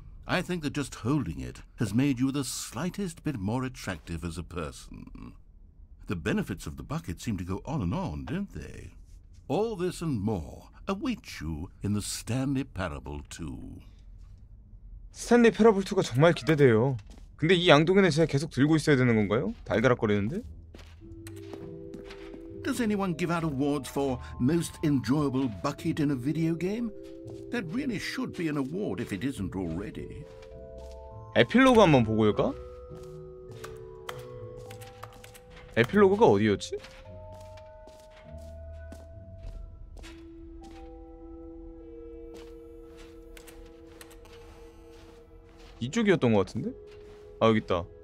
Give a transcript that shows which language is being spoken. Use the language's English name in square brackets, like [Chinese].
[English] I think that just holding it has made you the slightest bit more attractive as a person. The benefits of the bucket seem to go on, don't they? All this and more await you in the Stanley Parable 2. [Korean] Stanley Parable 2가 정말 기대돼요. 근데 이 양동이는 제가 계속 들고 있어야 되는 건가요? 달달거리는데. Does anyone give out awards for most enjoyable bucket in a video game? That really should be an award if it isn't already. 에필로그 한번 보고 올까? 에필로그가 어디였지? 이쪽이었던 것 같은데. 아, 여기 있다.